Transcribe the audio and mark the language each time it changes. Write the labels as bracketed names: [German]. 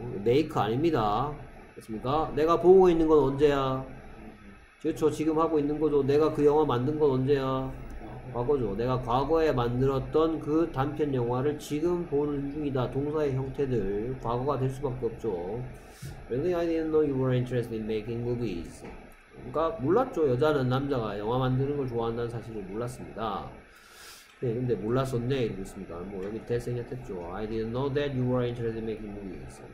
[Korean] 메이크 아닙니다. 그렇습니까? 내가 보고 있는 건 언제야? 그렇죠. 지금 하고 있는 거죠. 내가 그 영화 만든 건 언제야? 과거죠. 내가 과거에 만들었던 그 단편 영화를 지금 보는 중이다. 동사의 형태들 과거가 될 수밖에 없죠. [English] Really, I didn't know you were interested in making movies. [Korean] 그러니까 몰랐죠. 여자는 남자가 영화 만드는 걸 좋아한다는 사실을 몰랐습니다. 네, 근데 몰랐었네 이러고 있습니다. 뭐 여기 대 생겼겠죠. [English] I didn't know that you were interested in making movies.